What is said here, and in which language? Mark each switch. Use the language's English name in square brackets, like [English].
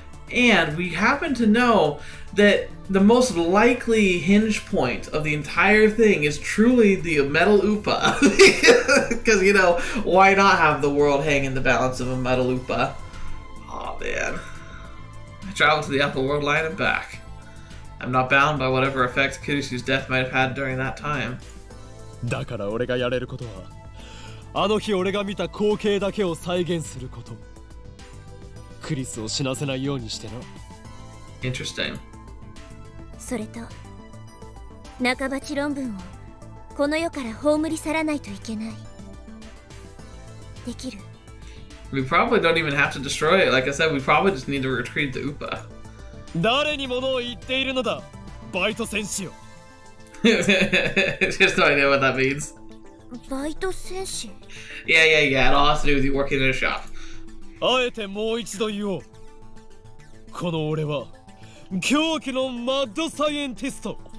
[English] And we happen to know that the most likely hinge point of the entire thing is truly the Metal Oopa. Because, you know, why not have the world hang in the balance of a Metal Oopa? Man. I traveled to the Apple World Line and back. I'm not bound by whatever effects Kirishu's death might have had during that time. [Japanese] だから俺がやれることは、あの日俺が見た光景だけを再現すること。クリスを死なせないようにしてな。 [English] Interesting. [Japanese] それと、中鉢論文をこの世から葬り去らないといけない。できる。 [English] We probably don't even have to destroy it. Like I said, we probably just need to retrieve the Oopa. [Japanese] 誰に物を言っているのだ、バイト選手よ。 [English] Just no idea what that means. [Japanese] バイト選手? [English] Yeah. It all has to do with you working in a shop. [Japanese] あえてもう一度言おう。この俺は、狂気のマッドサイエンティスト。